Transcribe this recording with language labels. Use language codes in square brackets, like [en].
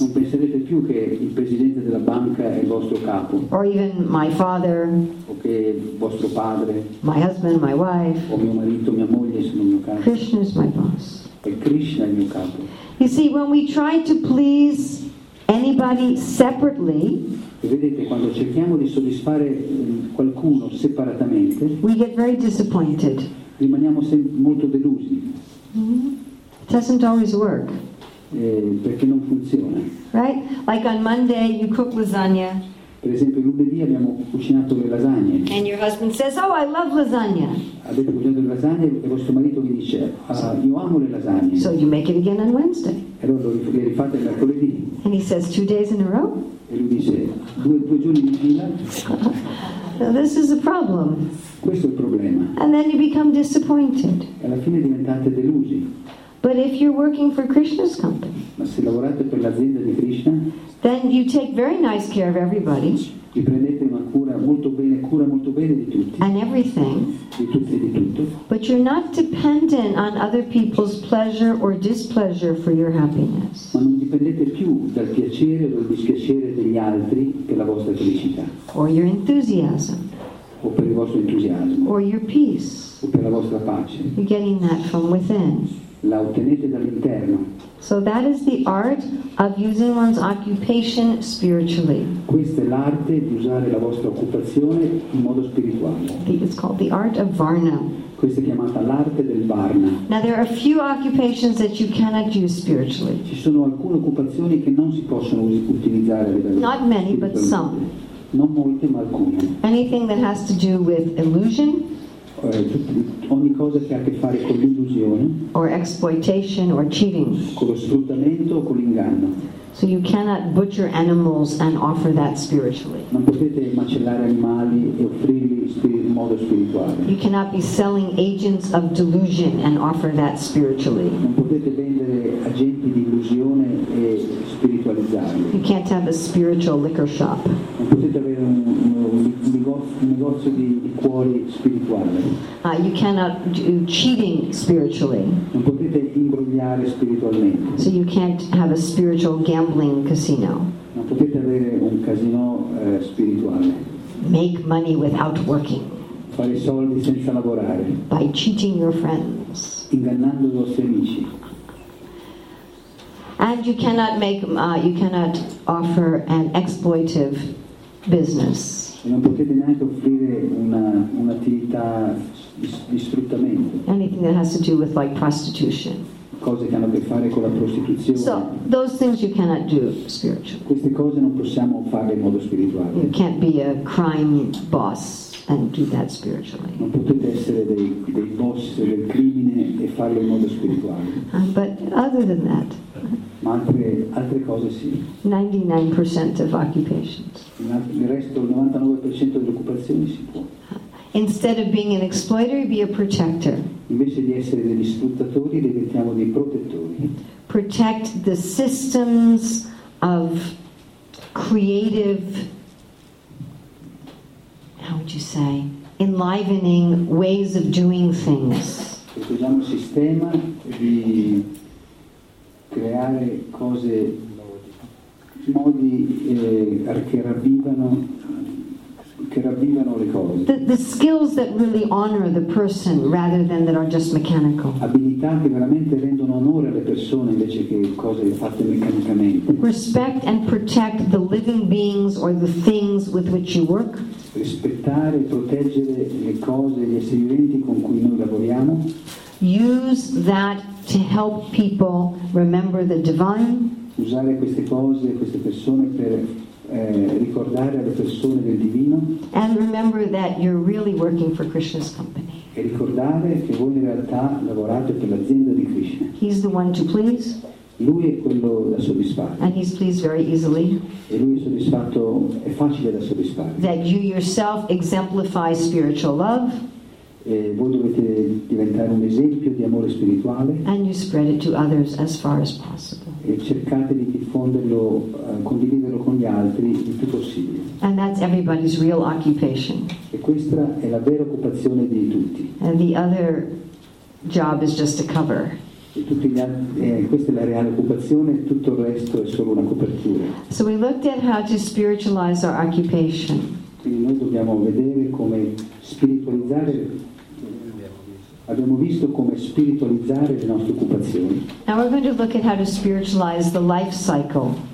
[it] Non penserete più che il presidente della banca è il vostro capo. [en] Or even my father. [it] O che vostro padre. [en] My husband, my wife. [it] O mio marito, mia moglie sono il mio capo. [en] Krishna is my boss. [it] E Krishna è il mio capo. [en] You see, when we try to please anybody separately, [it] vedete, quando cerchiamo di soddisfare qualcuno separatamente, [en] we get very disappointed. [it] Rimaniamo molto delusi. [en] It doesn't always work. [it] Perché non funziona. [en] Right? Like on Monday, you cook lasagna. [it] Per esempio, lunedì abbiamo cucinato le lasagne. [en] And your husband says, "Oh, I love lasagna." [it] Avete cucinato le lasagne e vostro marito vi dice, "Ah, io amo le lasagne." [en] So you make it again on Wednesday. [it] E allora lo rifate il mercoledì. [en] And he says, "2 days in a row?" [it] E lui dice, "2 giorni di fila." [en] This is a problem. [it] Questo è il problema. [en] And then you become disappointed. [it] E alla fine diventate delusi. [en] But if you're working for Krishna's company, [it] ma se lavorate per l'azienda di Krishna, [en] then you take very nice care of everybody. [it] Vi prendete una cura molto bene di tutti. [en] And everything. [it] Di tutti e di tutto. [en] But you're not dependent on other people's pleasure or displeasure for your happiness. [it] Ma non dipendete più dal piacere o dal dispiacere degli altri per la vostra felicità. [en] Or your enthusiasm. [it] O per il vostro entusiasmo. [en] Or your peace. [it] O per la vostra pace. [en] You're getting that from within. [it] La ottenete dall'interno. [en] So that is the art of using one's occupation spiritually. [it] Questa è l'arte di usare la vostra occupazione in modo spirituale. [en] It's called the art of varna. [it] Questa è chiamata l'arte del varna. [en] Now there are a few occupations that you cannot use spiritually. [it] Ci sono alcune occupazioni che non si possono utilizzare. [en] Not many, but some. [it] Non molte, ma alcune. [en] Anything that has to do with illusion. [it] Ogni cosa che ha a che fare con l'illusione, [en] or exploitation or cheating, [it] con lo sfruttamento o con l'inganno. [en] So you cannot butcher animals and offer that spiritually. [it] Non potete macellare animali e offrirli in modo spirituale. [en] You cannot be selling agents of delusion and offer that spiritually. [it] Non potete vendere agenti di illusione e spiritualizzarli. [en] You can't have a spiritual liquor shop. [it] Non potete avere un negozio di cuori spirituale. [en] You cannot do cheating spiritually. [it] Non potete imbrogliare spiritualmente. [en] So you can't have a spiritual gambling casino. [it] Non potete avere un casino spirituale. [en] Make money without working. [it] Fare soldi senza lavorare. [en] By cheating your friends. [it] Ingannando i vostri amici. [en] And you cannot make offer an exploitive business. [it] E non potete neanche offrire un'attività di sfruttamento. [en] Anything that has to do with like prostitution. [it] Cose che hanno a che fare con la prostituzione. [en] So those things you cannot do spiritually. [it] Queste cose non possiamo farle in modo spirituale. [en] You can't be a crime boss and do that spiritually. [it] Non potete essere dei boss del crimine e farlo in modo spirituale. [en] But other than that. [it] Ma altre cose sì. [en] 99% of occupations. [it] Il resto, il 99% delle occupazioni si può. [en] Instead of being an exploiter, be a protector. [it] Invece di essere degli sfruttatori, diventiamo dei protettori. [en] Protect the systems of creative, how would you say, enlivening ways of doing things. [it] Usiamo un sistema di creare cose, modi che ravvivano. [en] The skills that really honor the person rather than that are just mechanical. [it] Abilità che veramente rendono onore alle persone invece che cose fatte meccanicamente. [en] Respect and protect the living beings or the things with which you work. [it] Rispettare e proteggere le cose e gli esseri viventi con cui noi lavoriamo. [en] Use that to help people remember the divine. [it] Usare queste cose e queste persone per ricordare alle persone del divino. [en] And remember that you're really working for Krishna's company. [it] E ricordare che voi in realtà lavorate per l'azienda di Krishna. [en] He's the one to please. [it] Lui è quello da soddisfare. [en] And he's pleased very easily. [it] E lui è soddisfatto, è facile da soddisfare. [en] That you yourself exemplify spiritual love. [it] E voi dovete diventare un esempio di amore spirituale. [en] And you spread it to others as far as possible. [it] E cercate di diffonderlo, condividerlo con gli altri il più possibile. [en] And that's everybody's real occupation. [it] E questa è la vera occupazione di tutti. [en] And the other job is just a cover. [it] Questa è la reale occupazione, tutto il resto è solo una copertura. [en] So we looked at how to spiritualize our occupation. [it] Quindi noi dobbiamo vedere come spiritualizzare. Abbiamo visto come spiritualizzare le nostre occupazioni. [en] Now we're going to look at how to spiritualize the life cycle.